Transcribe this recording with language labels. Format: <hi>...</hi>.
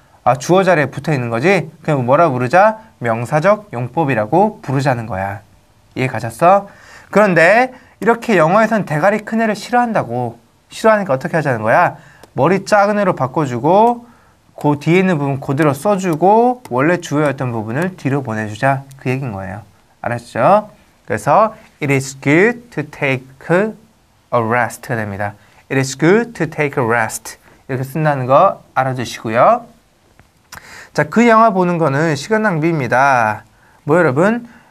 <ko>아, 주어 자리에 붙어 있는 거지? 그럼 뭐라고 부르자? 명사적 용법이라고 부르자는 거야. 이해 가셨어? 그런데 이렇게 영어에선 대가리 큰 애를 싫어한다고. 싫어하니까 어떻게 하자는 거야? 머리 작은 애로 바꿔주고 그 뒤에 있는 부분 그대로 써주고 원래 주어였던 부분을 뒤로 보내주자. 그 얘기인 거예요. 알았죠? 그래서</ko> <en>It is good to take a rest가 됩니다. It is good to take a rest.</en> <ko>이렇게 쓴다는 거 알아주시고요. 자, 그 영화 보는 거는 시간 낭비입니다. 뭐 여러분?</ko>